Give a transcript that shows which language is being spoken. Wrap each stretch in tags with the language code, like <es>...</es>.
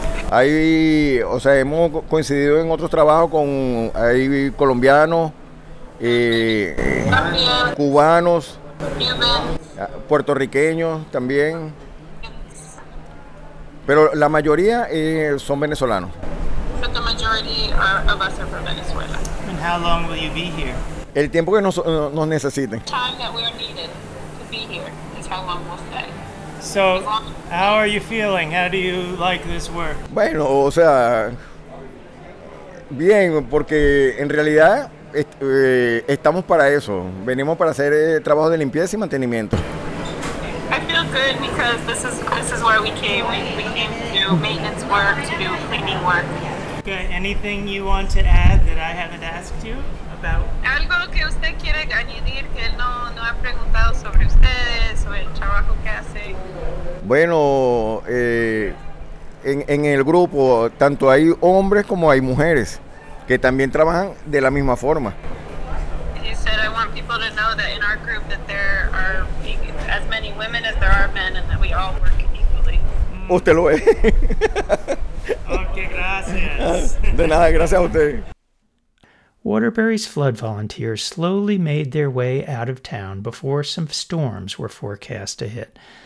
<es>Hay, o sea, hemos coincidido en otros trabajos con hay colombianos, cubanos, puertorriqueños también, pero la mayoría son venezolanos.</es> <en>But the majority of us are from Venezuela. And how long will you be here?</en> <es>El tiempo que nos necesiten.</es> <en>The time that we are needed to be here is how long we'll stay. So, how are you feeling? How do you like this work?</en> <es>Bueno, o sea, bien, porque en realidad estamos para eso. Venimos para hacer trabajo de limpieza y mantenimiento.</es> <en>I feel good because this is why we came. We came to do maintenance work, to do cleaning work. Okay, anything you want to add that I haven't asked you about?</en> <es>Algo que usted quiere añadir que él no ha preguntado sobre ustedes o el trabajo que hace. Bueno, en el grupo tanto hay hombres como hay mujeres que también trabajan de la misma forma.</es> <en>He said, I want people to know that in our group that there are as many women as there are men and that we all work equally.</en> <es>Usted lo ve.</es> <en>Okay,</en> <es>gracias. De nada, gracias a usted.</es> <en>Waterbury's flood volunteers slowly made their way out of town before some storms were forecast to hit.</en>